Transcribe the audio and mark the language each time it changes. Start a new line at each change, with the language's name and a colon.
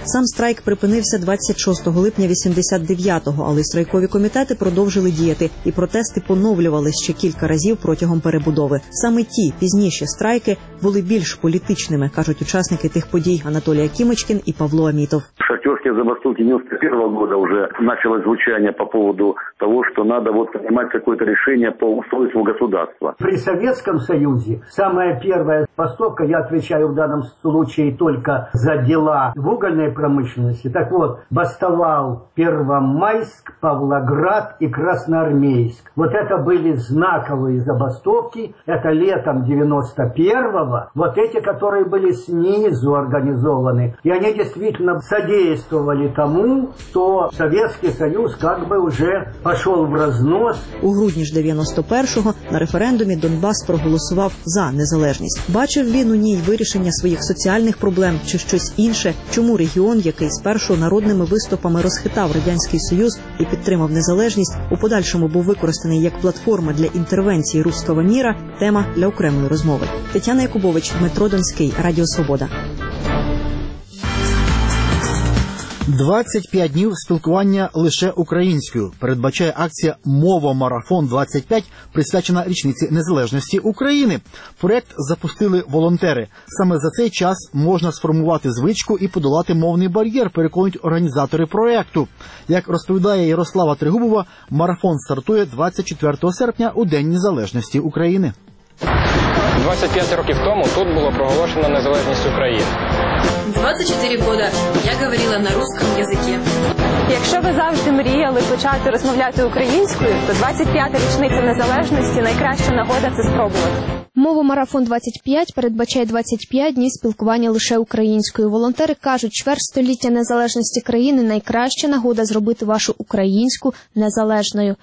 Ukrainian: Сам страйк припинився 26 липня 89-го, але страйкові комітети продовжили діяти і протести поновлювались ще кілька разів протягом перебудови. Саме ті пізніші страйки були більш політичними, кажуть учасники тих подій Анатолій Акімочкін і Павло Амітов.
Russian: Шахтерські забастовки 91-го года уже начало звучание по поводу того, что надо вот принимать какое-то решение по устройству государства. При Советском Союзе самая первая поставка, я отвечаю в данном случае только за дела в угольной промышленности, так вот, бастовал Первомайск, Павлоград и Красноармейск. Вот это были знаковые забастовки, это летом 91-го, вот эти, которые были снизу организованы, и они действительно содействовали тому, что Советский Союз как бы уже
Ukrainian: пішов в рознос. У грудні ж 91-го на референдумі Донбас проголосував за незалежність. Бачив він у ній вирішення своїх соціальних проблем чи щось інше? Чому регіон, який спершу народними виступами розхитав Радянський Союз і підтримав незалежність, у подальшому був використаний як платформа для інтервенції «Руського міра» – тема для окремої розмови. Тетяна Якубович, Дмитро Донський, Радіо Свобода. 25 днів спілкування лише українською, передбачає акція «Мова-марафон-25», присвячена річниці Незалежності України. Проєкт запустили волонтери. Саме за цей час можна сформувати звичку і подолати мовний бар'єр, переконують організатори проєкту. Як розповідає Ярослава Тригубова, марафон стартує 24 серпня у День Незалежності України. 25 років тому тут було проголошено незалежність України.
Russian: 24 года я говорила на русском языке.
Ukrainian: Якщо ви завжди мріяли почати розмовляти українською, то 25-та річниця незалежності – найкраща нагода це спробувати. Мовомарафон 25 передбачає 25 днів спілкування лише українською. Волонтери кажуть, чверть століття незалежності країни – найкраща нагода зробити вашу українську незалежною.